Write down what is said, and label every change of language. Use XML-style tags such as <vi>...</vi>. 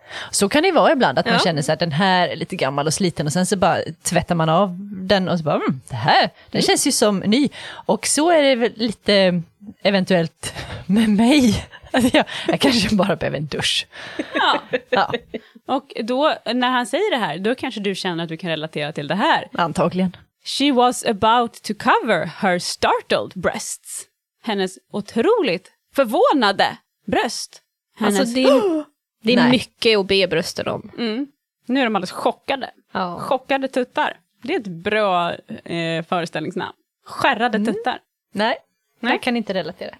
<sv>Så kan det vara ibland att man känner sig att den här är lite gammal och sliten och sen så bara tvättar man av den och så bara det här känns ju som ny. Och så är det väl lite eventuellt med mig. Alltså jag kanske bara behöver en dusch. Ja. Och då när han säger det här, då kanske du känner att du kan relatera till det här. Antagligen.</sv> <en>She was about to cover her startled breasts.</en> <sv>Hennes otroligt förvånade bröst. Hennes... Alltså det är mycket att be brösten om. Mm. Nu är de alldeles chockade. Oh. Chockade tuttar. Det är ett bra föreställningsnamn. Skärrade tuttar. Nej, jag kan inte relatera.</sv>